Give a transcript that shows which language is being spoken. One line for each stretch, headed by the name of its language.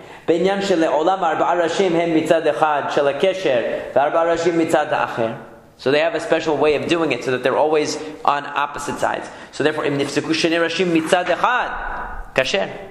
Hebrew: בעניין שלעולם ארבעה ראשים הם מצד אחד של הקשר וארבעה ראשים מצד האחר.
English: So they have a special way of doing it so that they're always on opposite sides. So therefore,
Hebrew: אם נפסקו שני ראשים מצד אחד, קשר.